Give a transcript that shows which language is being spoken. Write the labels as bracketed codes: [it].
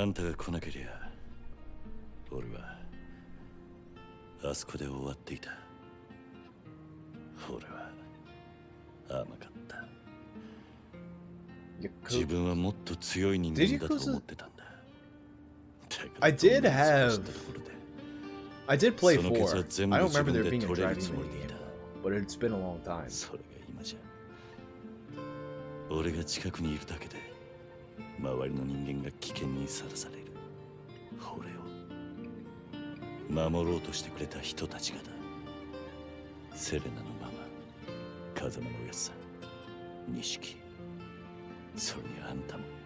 [ja] あんたが来なけりゃ、俺はあそこで終わっていた。俺は甘かった。自分はもっと強い人間だと思ってたんだ。 [en] I did have. I did play four. I don't remember there being a dragon in the game, but it's been a long time. [ja] それが今じゃ。俺が近くにいるだけで、周りの人間が危険にさらされる。俺を守ろうとしてくれた人たちがだ。セレナのママ、風間のおやさん、錦、それにあんたも。